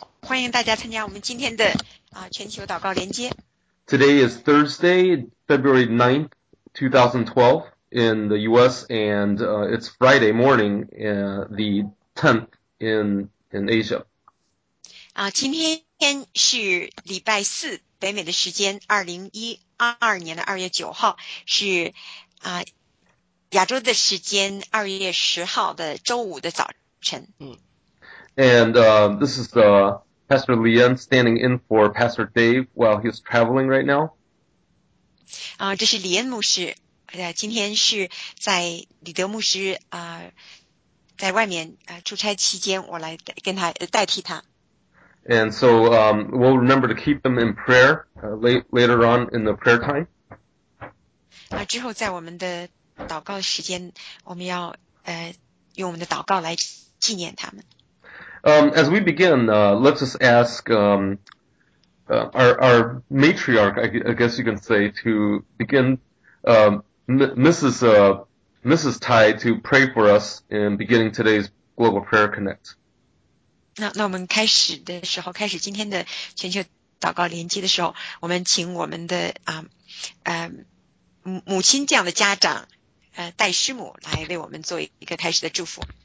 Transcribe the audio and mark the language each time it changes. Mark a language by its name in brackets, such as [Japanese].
[Chinese] 欢迎大家参加我们今天的全球祷告连接。 [English] Today is Thursday, February 9th, 2012 in the US, and it's Friday morning, the 10th in Asia. [Chinese] 今天是礼拜四，北美的时间，2012年的2月9号，是亚洲的时间2月10号的周五的早晨。 [English] And this is Pastor Lian standing in for Pastor Dave while he's traveling right now. [Chinese] 这是李恩牧师，今天是在李德牧师在外面出差期间，我来跟他代替他。 [English] And so we'll remember to keep them in prayer later on in the prayer time. [Chinese] 之后在我们的祷告时间，我们要用我们的祷告来纪念他们。 [English] As we begin, let's just ask our matriarch, I guess you can say, to begin, Mrs. Tai, to pray for us in beginning today's Global Prayer Connect. [Chinese] 那我们开始的时候，开始今天的全球祷告连接的时候，我们请我们的母亲这样的家长，戴师母来为我们做一个开始的祝福。